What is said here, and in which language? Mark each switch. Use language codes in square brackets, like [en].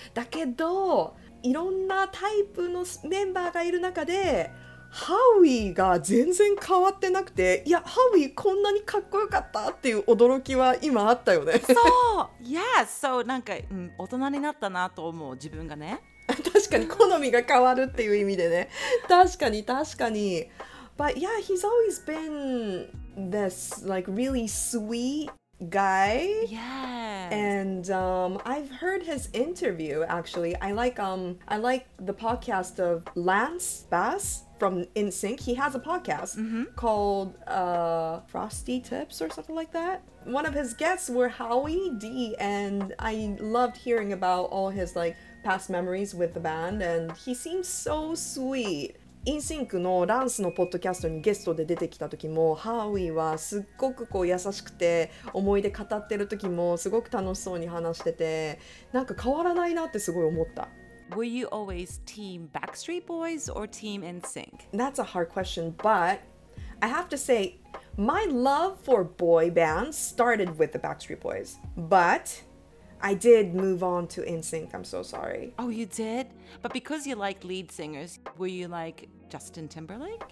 [ja] だけど、いろんなタイプのメンバーがいる中で、ハウィーが全然変わってなくて、いや、ハウィーこんなにかっこよかったっていう驚きは今あったよね。そう、Yes! そう、なんか、大人になったなと思う、自分がね。確かに、好みが変わるっていう意味でね。確かに、確かに。 [en] But yeah, he's always been this, like, really sweet guy. Yeah. And I've heard his interview, actually. I like the podcast of Lance Bass from NSYNC. He has a podcast called Frosty Tips or something like that. One of his guests were Howie D, and I loved hearing about all his like past memories with the band, and he seems so sweet. [ja] NSYNC のランスのポッドキャストにゲストで出てきた時もハーウィーはすっごくこう優しくて思い出語ってる時もすごく楽しそうに話しててなんか変わらないなってすごい思った。 [en] Were you always team Backstreet Boys or team NSYNC? That's a hard question, but I have to say my love for boy bands started with the Backstreet Boys, butI did move on to NSYNC, I'm so sorry. Oh, you did? But because you like lead singers, were you like Justin Timberlake?